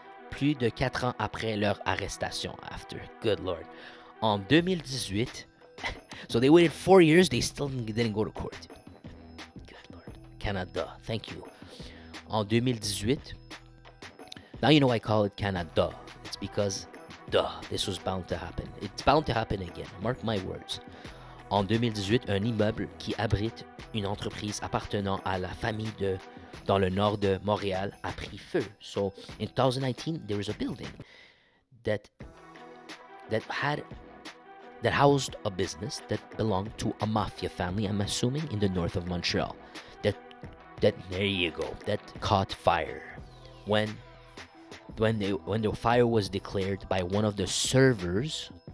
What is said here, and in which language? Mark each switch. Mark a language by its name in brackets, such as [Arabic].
[French] Plus de 4 ans après leur arrestation. [English] After, good lord, [French] en 2018. [English] So they waited 4 years, they still didn't go to court. Good Lord. Canada, thank you. [French] En 2018, [English] now you know I call it Canada. It's because, duh, this was bound to happen. It's bound to happen again. Mark my words. [French] En 2018, un immeuble qui abrite une entreprise appartenant à la famille de dans le nord de Montréal a pris feu. [English] So in 2019, there was a building that housed a business that belonged to a mafia family, I'm assuming, in the north of Montreal. That caught fire. When the fire was declared by one of the servers.